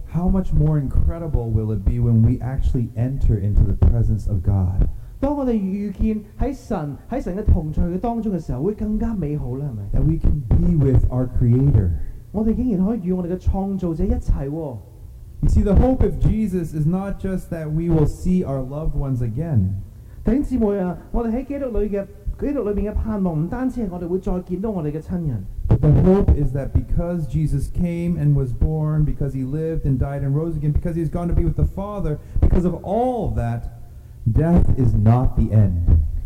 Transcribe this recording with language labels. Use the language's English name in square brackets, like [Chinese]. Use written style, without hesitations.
[English] how much more incredible will it be when we actually enter into the presence of God? [Chinese] 當我們遇見在神的同在當中的時候，會更加美好，是不是? [English] That we can be with our Creator. [Chinese] 我們竟然可以與我們的創造者一起。 [English] You see, the hope of Jesus is not just that we will see our loved ones again. [Chinese] 弟兄姊妹啊，我們在基督裡的盼望，不單止是我們會再見到我們的親人。 [English] But the hope is that because Jesus came and was born, because he lived and died and rose again, because he's gone to be with the Father, because of all of that, death is not the end.